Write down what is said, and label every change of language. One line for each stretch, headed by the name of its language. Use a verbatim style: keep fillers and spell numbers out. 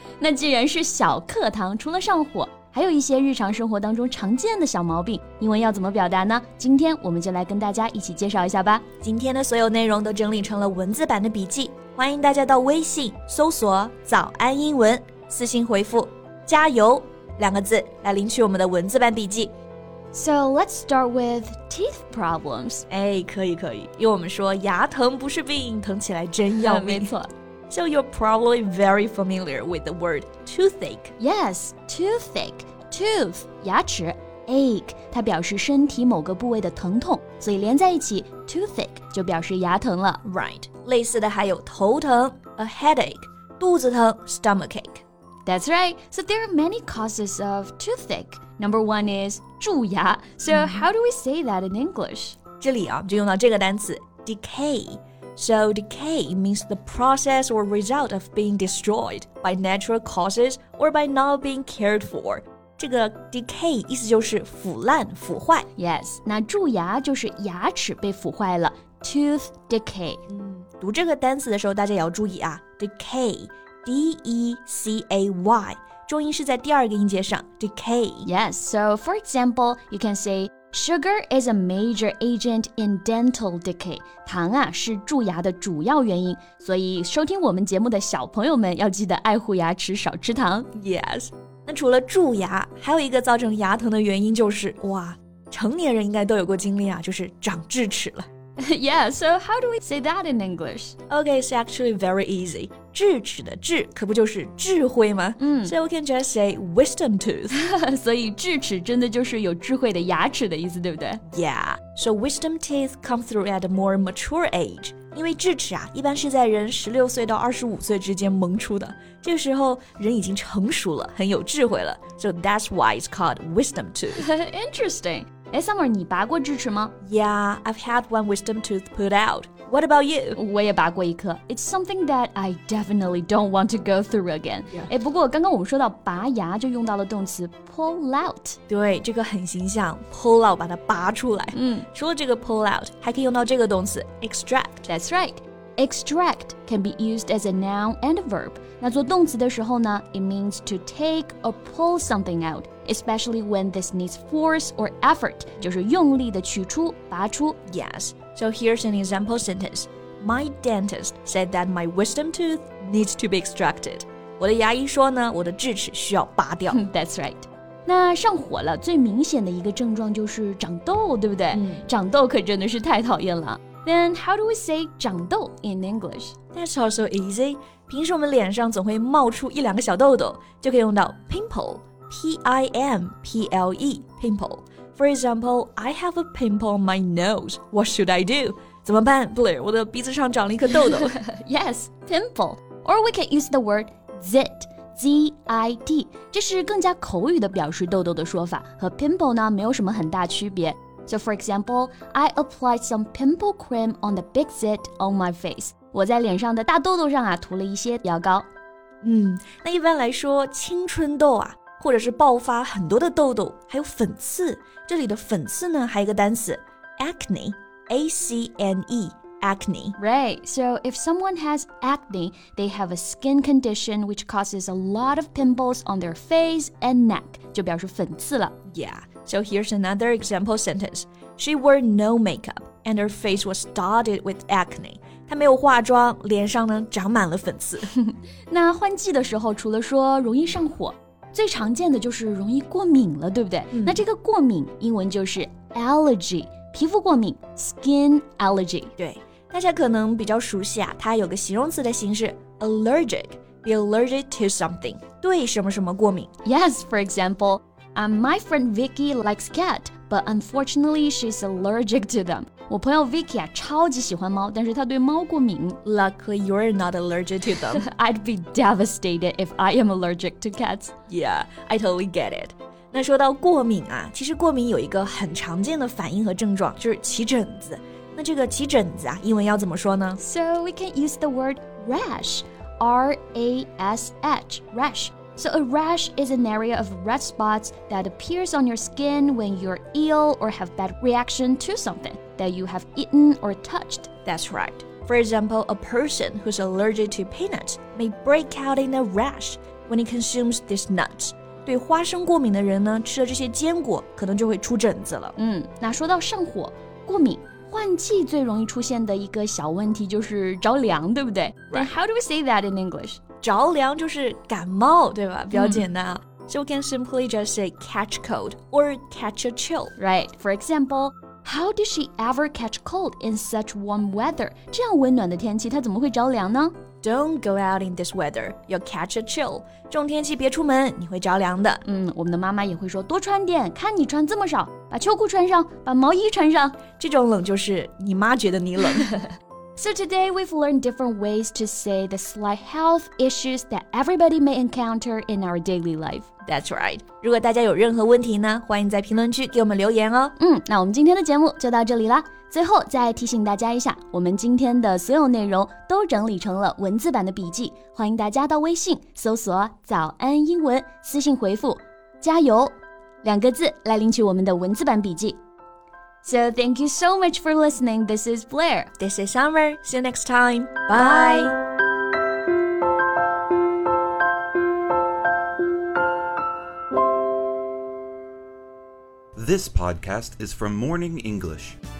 Chinese: 那既然是小课堂除了上火还有一些日常生活当中常见的小毛病，英文要怎么表达呢？今天我们就来跟大家一起介绍一下吧。今天的所有内容都整理成了文字版的笔记，欢迎大家到微信搜索“早安英文”，私信回复“加油”两个字来领取我们的文字版笔记。
English: So let's start with teeth problems.
Chinese: 哎，可以可以，因为我们说牙疼不是病，疼起来真要命。没错。
English: So you're probably very familiar with the word toothache.
Chinese: Yes, toothache, tooth, 牙齿 ache, 它表示身体某个部位的疼痛，所以连在一起 toothache 就表示牙疼了。 Right, 类似的还有头疼 a headache, 肚子疼 stomachache.
English: That's right, so there are many causes of toothache. Number one is 蛀牙, so mm-hmm. how do we say that in English?
Chinese: 这里啊，就用到这个单词 decay.
English: So decay means the process or result of being destroyed by natural causes or by not being cared for.
Chinese: 这个 decay 意思就是腐烂、腐坏。 Yes, 那蛀牙就是牙齿被腐坏了 tooth decay. 读这个单词的时候大家也要注意啊 decay, D E C A Y, 重音是在第二个音节上 decay.
English: Yes, so for example, you can say,Sugar is a major agent in dental decay.
Chinese: 糖啊是蛀牙的主要原因，所以收听我们节目的小朋友们要记得爱护牙齿，少吃糖。
English: Yes.
Chinese: 那除了蛀牙，还有一个造成牙疼的原因就是，哇，成年人应该都有过经历啊，就是长智齿了。
English: Yeah, so how do we say that in English? Okay, it's actually very easy.
Chinese: 智齿的智可不就是智慧吗？嗯
English: So we can just say wisdom tooth.
Chinese: 所以智齿真的就是有智慧的牙齿的意思，对不对？
English: Yeah, so wisdom teeth come through at a more mature age.
Chinese: 因为智齿啊，一般是在人十六岁到二十五岁之间萌出的，这个时候人已经成熟了，很有智慧了。
English: So that's why it's called wisdom tooth. Interesting.
Chinese: 哎 Summer 你拔过智齿吗
English: Yeah, I've had one wisdom tooth put out. What about you?
Chinese: 我也拔过一颗
English: It's something that I definitely don't want to go through again. 哎、 Yeah.
Chinese: 不过刚刚我们说到拔牙就用到了动词 pull out. 对这个很形象 pull out 把它拔出来。嗯除了这个 pull out, 还可以用到这个动词 extract.
English: That's right. Extract can be used as a noun and a verb.
Chinese: 那做动词的时候呢
English: it means to take or pull something out, especially when this needs force or effort,
Chinese: 就是用力的取出、拔出。
English: Yes, so here's an example sentence. My dentist said that my wisdom tooth needs to be extracted.
Chinese: 我的牙医说呢，我的智齿需要拔掉。
English: That's right.
Chinese: 那上火了，最明显的一个症状就是长痘，对不对？嗯。长痘可真的是太讨厌了。
English: Then how do we say 长痘 in English? That's also easy.
Chinese: 平时我们脸上总会冒出一两个小痘痘，就可以用到 pimple, P I M P L E, pimple.
English: For example, I have a pimple on my nose. What should I do?
Chinese: 怎么办 Blair, 我的鼻子上长了一颗痘痘。
English: Yes, pimple. Or we can use the word zit, Z I T.
Chinese: 这是更加口语的表示痘痘的说法，和 pimple 呢没有什么很大区别。
English: So for example, I applied some pimple cream on the big zit on my face.
Chinese: 我在脸上的大痘痘上啊涂了一些药膏。嗯，那一般来说，青春痘啊，或者是爆发很多的痘痘，还有粉刺。这里的粉刺呢，还有一个单词 acne, A C N E, acne.
English: Right. So if someone has acne, they have a skin condition which causes a lot of pimples on their face and neck.
Chinese: 就表示粉刺了。
English: Yeah. So here's another example sentence. She wore no makeup, and her face was dotted with acne.
Chinese: 她没有化妆，脸上呢长满了粉刺。那换季的时候，除了说容易上火，最常见的就是容易过敏了，对不对？嗯、那这个过敏英文就是 allergy， 皮肤过敏 ，skin allergy。对，大家可能比较熟悉啊，它有个形容词的形式 allergic, be allergic to something， 对什么什么过敏。
English: Yes, for example. Um, my friend Vicky likes cat, but unfortunately she's allergic to them.
Chinese: 我朋友 Vicky 啊，超级喜欢猫，但是她对猫过敏。
English: Luckily, you're not allergic to them. I'd be devastated if I am allergic to cats. Yeah, I totally get it.
Chinese: 那说到过敏啊，其实过敏有一个很常见的反应和症状，就是起疹子。那这个起疹子啊，英文要怎么说呢？
English: So we can use the word rash, R A S H, rash. So a rash is an area of red spots that appears on your skin when you're ill or have bad reaction to something that you have eaten or touched. That's right. For example, a person who's allergic to peanuts may break out in a rash when he consumes these nuts.
Chinese: 对花生过敏的人呢，吃了这些坚果可能就会出疹子了。嗯，那说到上火、过敏，换季最容易出现的一个小问题就是着凉，对不对？
English: Right. Then how do we say that in English?
Chinese: 着凉就是感冒，对吧？比较简单啊。 Mm.
English: So we can simply just say catch cold or catch a chill. Right. For example, how did she ever catch cold in such warm weather?
Chinese: 这样温暖的天气，她怎么会着凉呢？
English: Don't go out in this weather, you'll catch a chill.
Chinese: 这种天气别出门，你会着凉的。嗯，我们的妈妈也会说，多穿点，看你穿这么少，把秋裤穿上，把毛衣穿上。这种冷就是你妈觉得你冷。
English: So today we've learned different ways to say the slight health issues that everybody may encounter in our daily life. That's right.
Chinese: 如果大家有任何问题呢，欢迎在评论区给我们留言哦。嗯，那我们今天的节目就到这里啦。最后再提醒大家一下，我们今天的所有内容都整理成了文字版的笔记，欢迎大家到微信搜索早安英文，私信回复加油两个字来领取我们的文字版笔记。
English: So thank you so much for listening. This is Blair. This is Summer. See you next time. Bye. Bye. This podcast is from Morning English.